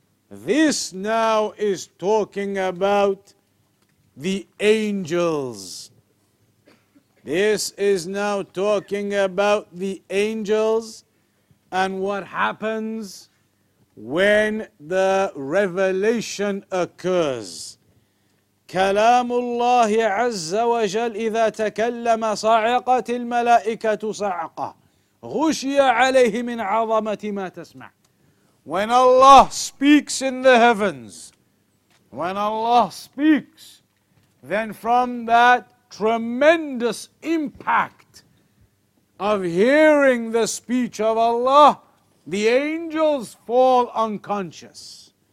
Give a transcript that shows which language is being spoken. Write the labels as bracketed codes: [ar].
[en] This now is talking about the angels. This is now talking about the angels and what happens when the revelation occurs. [ar] كلام الله عز وجل إذا تكلم صعقت الملائكة صعقة غشي عليه من عظمة ما تسمع. [en] When Allah speaks in the heavens, when Allah speaks, then from that tremendous impact of hearing the speech of Allah, the angels fall unconscious.